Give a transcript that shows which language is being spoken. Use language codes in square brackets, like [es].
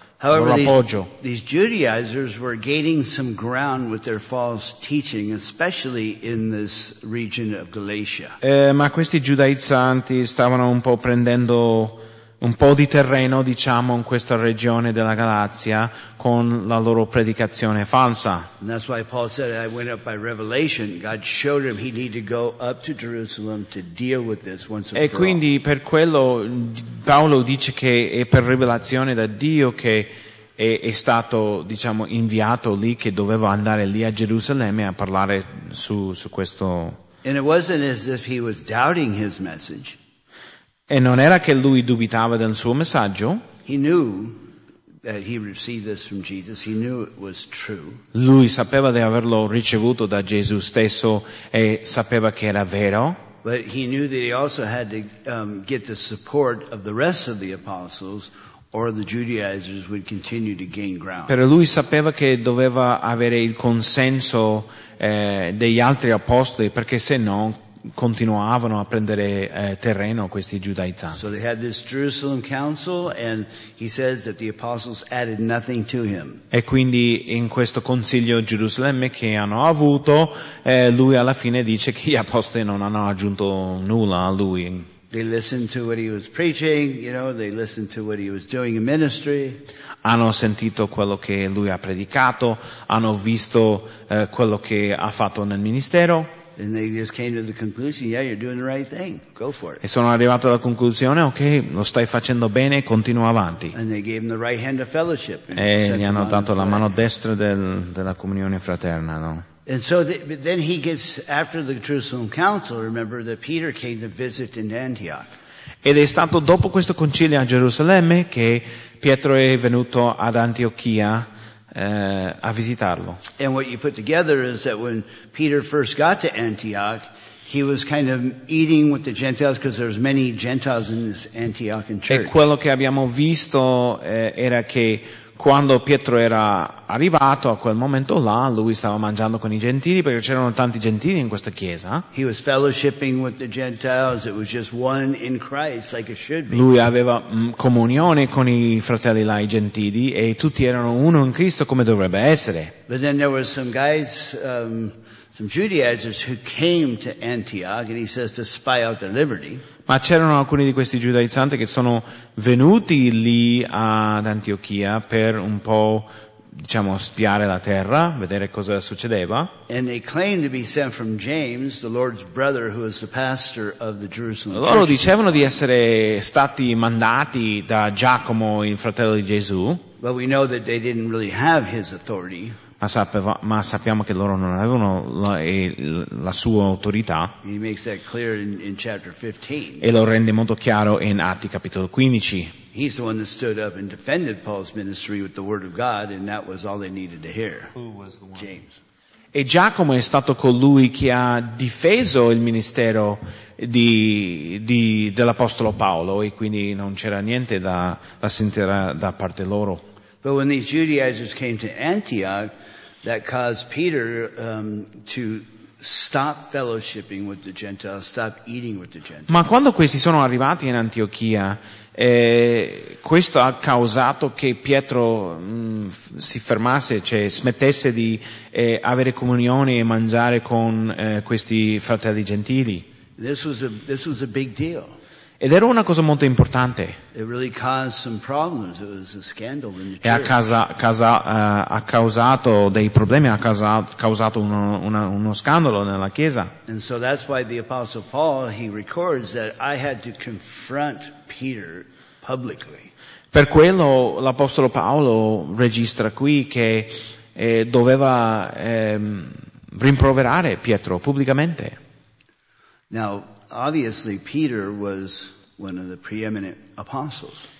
[en] However, [it] appoggio. [en] These Judaizers were gaining some ground with their false teaching, especially in this region of Galatia. [it] Ma questi giudaizzanti stavano un po' prendendo un po' di terreno, diciamo, in questa regione della Galazia con la loro predicazione falsa. [en] And that's why Paul said, I went up by revelation. God showed him he needed to go up to Jerusalem to deal with this once and for all. [it] E quindi per quello Paolo dice che è per rivelazione da Dio che è stato, diciamo, inviato lì, che doveva andare lì a Gerusalemme a parlare su questo. [en] And it wasn't as if he was doubting his message. [it] E non era che lui dubitava del suo messaggio. [en] He knew that he received this from Jesus. He knew it was true. [it] Lui sapeva di averlo ricevuto da Gesù stesso e sapeva che era vero. [en] But he knew that he also had to get the support of the rest of the apostles, or the Judaizers would continue to gain ground. [it] Però lui sapeva che doveva avere il consenso degli altri apostoli, perché se no continuavano a prendere terreno questi giudaizzanti. [en] So they had this Jerusalem council and he says that the apostles added nothing to him. [it] E quindi in questo consiglio Gerusalemme che hanno avuto, lui alla fine dice che gli apostoli non hanno aggiunto nulla a lui. [en] They listened to what he was preaching, you know, they listened to what he was doing in ministry. [it] Hanno sentito quello che lui ha predicato, hanno visto quello che ha fatto nel ministero. [en] And they just came to the conclusion, yeah, you're doing the right thing. Go for it. [it] E sono arrivato alla conclusione, ok, lo stai facendo bene, continua avanti. [en] And they gave him the right hand of fellowship. [it] E gli hanno dato la mano destra della comunione fraterna, no? [en] And so then he gets, after the Jerusalem Council, remember that Peter came to visit in Antioch. [it] Ed è stato dopo questo concilio a Gerusalemme che Pietro è venuto ad Antiochia a visitarlo. [en] And what you put together is that when Peter first got to Antioch, he was kind of eating with the Gentiles because there's many Gentiles in this Antiochian church. [it] E quello che abbiamo visto era che quando Pietro era arrivato a quel momento là, lui stava mangiando con I gentili perché c'erano tanti gentili in questa chiesa. [en] He was fellowshipping with the Gentiles. It was just one in Christ, like it should be. [it] Lui aveva comunione con I fratelli là, I gentili, e tutti erano uno in Cristo come dovrebbe essere. [en] But then there were some guys, some Judaizers who came to Antioch, and he says to spy out their liberty. [it] Ma c'erano alcuni di questi giudaizzanti che sono venuti lì ad Antiochia per un po', diciamo, spiare la terra, vedere cosa succedeva. [en] And they claimed to be sent from James, the Lord's brother, who is the pastor of the Jerusalem. [it] Loro dicevano di essere stati mandati da Giacomo, il fratello di Gesù. [en] But we know that they didn't really have his authority. [it] Ma sappiamo che loro non avevano la sua autorità. [en] He makes that clear in chapter 15. [it] E lo rende molto chiaro in Atti capitolo 15. [en] He's the one that stood up and defended Paul's ministry with the word of God, and that was all they needed to hear. Who was the one? James. [it] E Giacomo è stato colui che ha difeso il ministero dell'apostolo Paolo, e quindi non c'era niente da sentire da parte loro. [en] But when these Judaizers came to Antioch, that caused Peter to stop fellowshipping with the Gentiles, stop eating with the Gentiles. [it] Ma quando questi sono arrivati in Antiochia, questo ha causato che Pietro si fermasse, cioè smettesse di avere comunione e mangiare con questi fratelli gentili. [en] This was a big deal. [it] Ed era una cosa molto importante. [en] It really caused some problems. It was a scandal in the church. [it] E ha causato dei problemi, ha causato uno scandalo nella chiesa. [en] And so that's why the Apostle Paul, he records that I had to confront Peter publicly. [it] Per quello l'Apostolo Paolo registra qui che doveva rimproverare Pietro pubblicamente. [en] Now, obviously, Peter was one of the preeminent apostles.